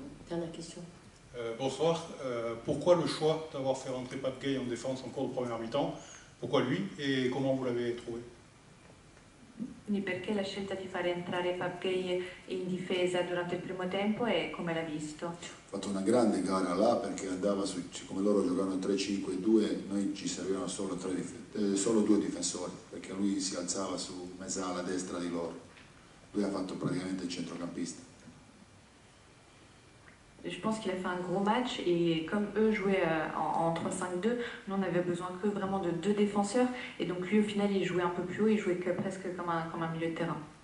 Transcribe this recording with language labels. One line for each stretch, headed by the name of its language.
French: Dernière question. Bonsoir. Pourquoi le choix d'avoir fait rentrer Pape Gueye en défense en cours de première mi-temps? Pourquoi lui et comment vous l'avez trouvé?
Italian: Quindi perché la scelta di fare entrare Pape Gueye in difesa durante il primo tempo e come l'ha visto? Ho fatto una grande gara là perché andava su, come loro giocavano 3-5-2, noi ci servivano solo due difensori perché lui si alzava su mezz'ala destra di loro. Lui ha fatto praticamente il centrocampista.
French: Je pense qu'il a fait un gros match et comme eux jouaient en 3-5-2, nous on avait besoin que vraiment de deux défenseurs et donc lui au final il jouait un peu plus haut, il jouait presque comme un milieu de terrain.